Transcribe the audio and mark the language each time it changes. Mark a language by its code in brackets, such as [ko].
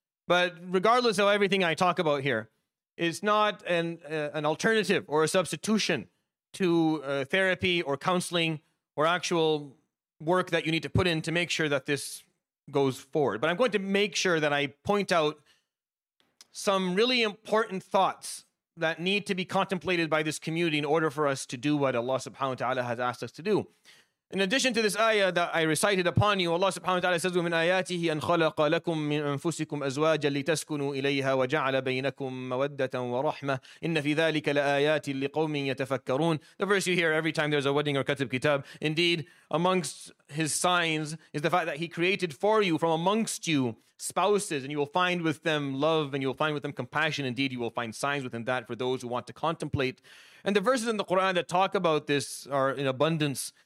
[en] But regardless of everything I talk about here, it's not an alternative or a substitution to therapy or counseling or actual work that you need to put in to make sure that this goes forward. But I'm going to make sure that I point out some really important thoughts that need to be contemplated by this community in order for us to do what Allah subhanahu wa ta'ala has asked us to do. In addition to this ayah that I recited upon you, Allah subhanahu wa ta'ala says, [ar] وَمِنْ آيَاتِهِ أَنْ خَلَقَ لَكُمْ مِنْ أَنفُسِكُمْ أَزْوَاجًا لِتَسْكُنُوا إِلَيْهَا وَجَعَلَ بَيْنَكُمْ مَوَدَّةً وَرَحْمَةً إِنَّ فِي ذَلِكَ لَآيَاتٍ لِقَوْمٍ يَتَفَكَّرُونَ. [en] The verse you hear every time there's a wedding or katib kitab. Indeed, amongst His signs is the fact that He created for you from amongst you spouses, and you will find with them love, and you will find with them compassion. Indeed, you will find signs within that for those who want to contemplate. And the verses in the Quran that talk about this are in abundance.